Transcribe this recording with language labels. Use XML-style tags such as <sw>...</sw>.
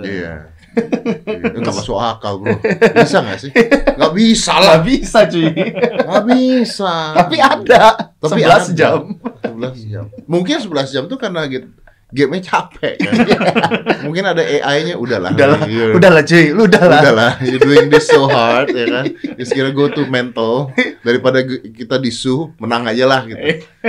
<id>Iya. Enggak masuk akal, bro. Bisa enggak sih? Enggak bisa lah. Enggak bisa, cuy. Enggak bisa. Tapi ada. Tapi 11 ada. Jam. 11 jam. Mungkin 11 jam tuh karena gitu. Game-nya capek kan? Mungkin ada AI-nya, udahlah yeah. Udahlah cuy, lu udahlah. Udahlah,</id> <en>you're doing this so hard,</en> <id>ya kan?</id> <en>It's gonna go to mental.</en> <id>Daripada kita disuh, menang aja lah gitu.</id>